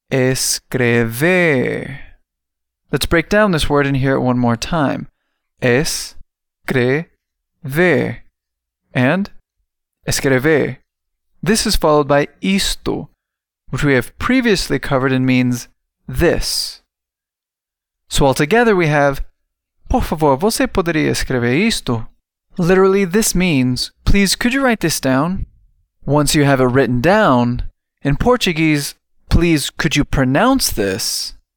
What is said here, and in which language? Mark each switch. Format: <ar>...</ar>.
<en>Escrever. Let's break down this word and hear it one more time.</en> <pt>Escrever.</pt> <en>And</en> <pt>escrever.</pt> <en>This is followed by isto, which we have previously covered and means this. So altogether we have,</en> <pt>por favor, você poderia escrever isto?</pt> <en>Literally, this means, please, could you write this down? Once you have it written down, in Portuguese, please, could you pronounce this?</en>